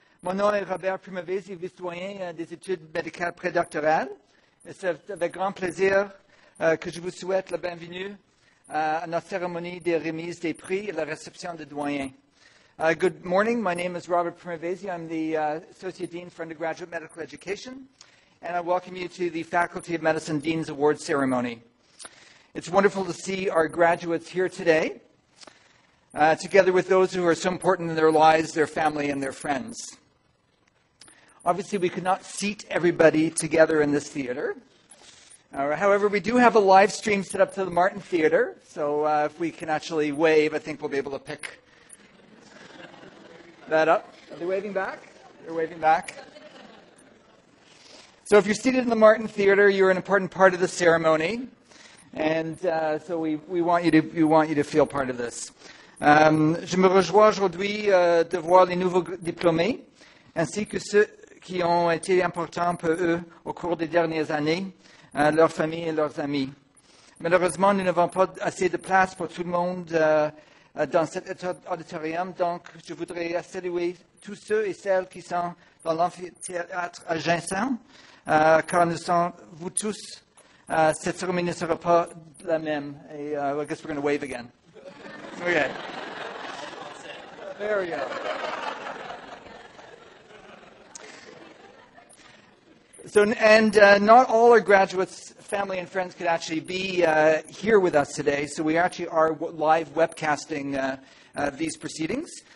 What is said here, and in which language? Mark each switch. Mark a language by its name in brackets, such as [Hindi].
[French] Mon nom est Robert Primavesi, vice-doyen des études médicales prédoctorales. Et c'est avec grand plaisir que je vous souhaite la bienvenue à notre cérémonie des remises des prix et la réception de doyens. [English] Good morning, my name is Robert Primavesi. I'm the Associate Dean for Undergraduate Medical Education, and I welcome you to the Faculty of Medicine Dean's Award Ceremony. It's wonderful to see our graduates here today, together with those who are so important in their lives, their family, and their friends. Obviously, we could not seat everybody together in this theater. However, we do have a live stream set up to the Martin Theater, so if we can actually wave, I think we'll be able to pick that up. Are they waving back? They're waving back. So if you're seated in the Martin Theater, you're an important part of the ceremony, and so we want you to feel part of this. [French] Je me rejoins aujourd'hui de voir les nouveaux diplômés ainsi que ceux qui ont été importants pour eux au cours des dernières années, leurs familles et leurs amis. Malheureusement, nous n'avons pas assez de place pour tout le monde dans cet auditorium, donc je voudrais saluer tous ceux et celles qui sont dans l'amphithéâtre adjacent, car nous sommes vous tous, cette cérémonie ne sera pas la même. [English] Et, I guess we're going to wave again. Okay. There we go. So, and not all our graduates, family and friends could actually be here with us today, so we actually are live webcasting these proceedings.